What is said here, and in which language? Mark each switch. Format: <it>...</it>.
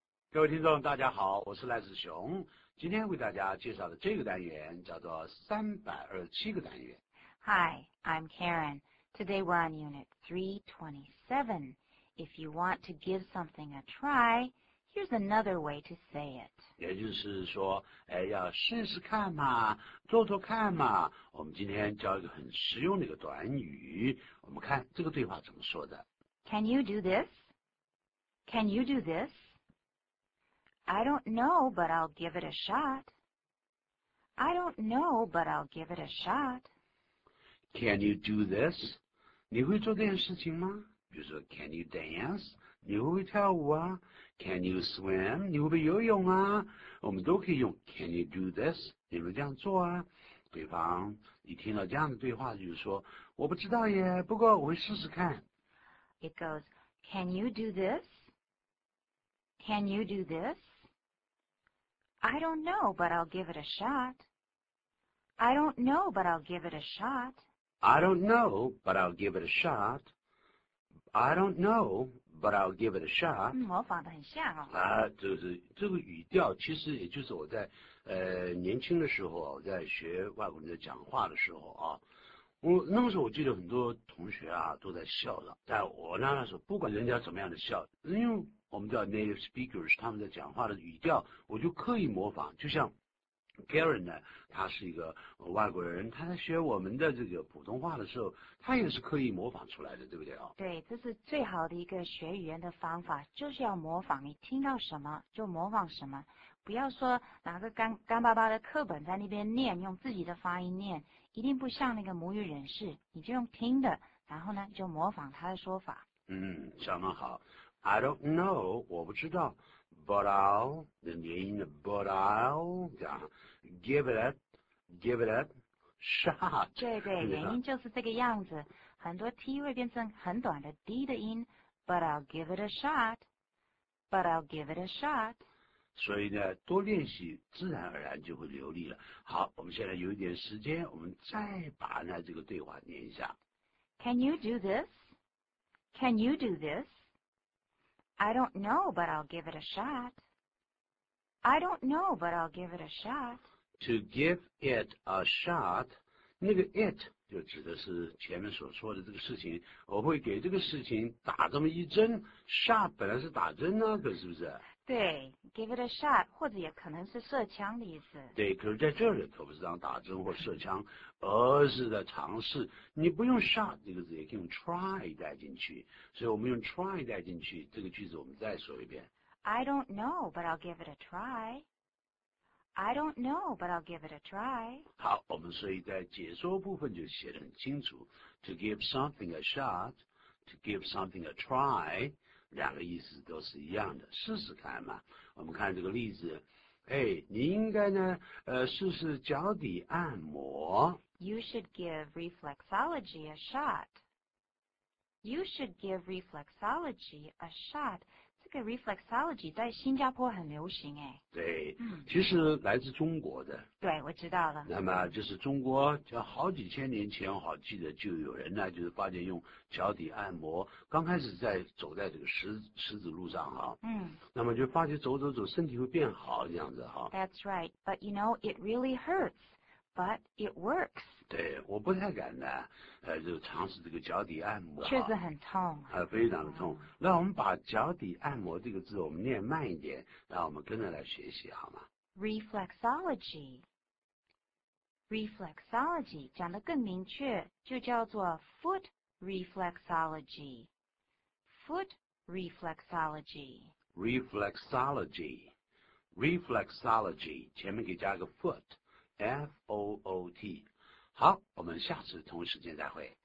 <zh>各位听众大家好，我是赖子熊。今天为大家介绍的这个单元叫做327个单元。</zh> <en>Hi, I'm Karen. Today we're on unit 327. If you want to give something a try, here's another way to say it.</en> <zh>也就是说，哎，要试试看嘛，做做看嘛。我们今天教一个很实用的一个短语，我们看这个对话怎么说的。</zh> <en>Can you do this? Can you do this? I don't know, but I'll give it a shot. I don't know, but I'll give it a shot. Can you do this?</en> <zh>你会做这件事情吗？比如说 ,</zh> <en>can you dance?</en> <zh>你会不会跳舞啊 ?</zh> <en>can you swim?</en> <zh>你会不会游泳啊，我们都可以用</zh> <en>can you do this?</en> <zh>你会这样做啊。对方你听到这样的对话就是说我不知道耶，不过我会试试看。</zh> <en>It goes, can you do this? Can you do this? I don't know, but I'll give it a shot. I don't know, but I'll give it a shot. I don't know, but I'll give it a shot. I don't know, but I'll give it a shot.</en> <zh>模仿得很像哦。啊，就是这个语调，其实也就是我在年轻的时候，在学外国人的讲话的时候啊，我那个时候我记得很多同学啊都在笑的，但我那时候不管人家怎么样的笑，因为我们叫 native speakers， 他们在讲话的语调，我就刻意模仿，就像。 Karen 呢，他是一个外国人，他在学我们的这个普通话的时候，他也是刻意模仿出来的，对不对啊？对，这是最好的一个学语言的方法，就是要模仿，你听到什么就模仿什么，不要说拿个干巴巴的课本在那边念，用自己的发音念，一定不像那个母语人士，你就用听的，然后呢就模仿他的说法。嗯，相当好。</zh> <en>I don't know,</en> <zh>我不知道。</zh> <en>But I'll, the name, but I'll, yeah, give it a shot.</en> <zh>对对，原因就是这个样子，很多 T 会变成很短的 D 的音，</zh> <en>but I'll give it a shot, but I'll give it a shot.</en> <zh>所以呢，多练习自然而然就会流利了。好，我们现在有一点时间，我们再把呢这个对话念一下。</zh> <en>Can you do this? Can you do this? I don't know, but I'll give it a shot. I don't know, but I'll give it a shot. To give it a shot,</en> <zh>那个 it 就指的是前面所说的这个事情，我会给这个事情打这么一针。 Shot 本来是打针那个，是不是？对，</zh> <en>give it a shot，</en> <zh>或者也可能是射枪的意思。对，可是在这里可不是当打针或射枪，而是在尝试。你不用 shot 这个字，也可以用 try 带进去。所以我们用 try 带进去，这个句子我们再说一遍。</zh> <en>I don't know, but I'll give it a try. I don't know, but I'll give it a try.</en> <zh>好，我们所以在解说部分就写得很清楚 ，</zh> <en>to give something a shot, to give something a try。</en> <zh>两个意思都是一样的，试试看嘛。我们看这个例子，哎，你应该呢，试试脚底按摩。</zh> <en>You should give reflexology a shot. You should give reflexology a shot.</en> <zh>这个 reflexology 在新加坡很流行哎。对，其实来自中国的。对，我知道了。那么就是中国，就好几千年前，我好记得就有人呢，就是发现用脚底按摩，刚开始在走在这个石子路上哈。嗯。那么就发觉走，身体会变好这样子哈。</zh> <en>That's right, but you know it really hurts, but it works.</en> <zh>对，我不太敢呢，就尝试这个脚底按摩。确实很痛。非常的痛。那我们把脚底按摩这个字，我们念慢一点，让我们跟着来学习好吗？</zh> <en>Reflexology, reflexology</en> <zh>讲得更明确，就叫做</zh> <en>foot reflexology, foot reflexology.</en> <zh>Reflexology, reflexology 前面给加个 foot, F-O-O-T. 好，我们下次同一时间再会。</zh>